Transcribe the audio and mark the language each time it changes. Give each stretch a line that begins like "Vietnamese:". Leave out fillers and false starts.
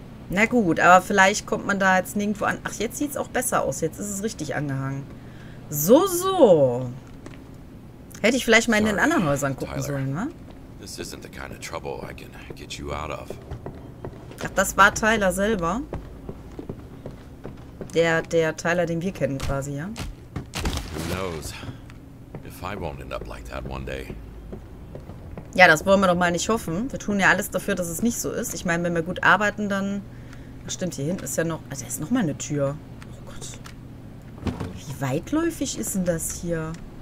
German: Na gut, aber vielleicht kommt man da jetzt nirgendwo an. Ach, jetzt sieht es auch besser aus. Jetzt ist es richtig angehangen. So, so. Hätte ich vielleicht mal in den anderen Häusern gucken sollen, wa?
English: This isn't the kind of trouble I can get you out of.
German: Ach, das war Tyler selber. Der Tyler, den wir kennen quasi, ja?
English: Who knows if I won't end up like that one day.
German: Ja, das wollen wir doch mal nicht hoffen. Wir tun ja alles dafür, dass es nicht so ist. Ich meine, wenn wir gut arbeiten, dann... Ach, stimmt, hier hinten ist ja noch... Also, da ist noch mal eine Tür. Oh Gott. Wie weitläufig ist denn das hier?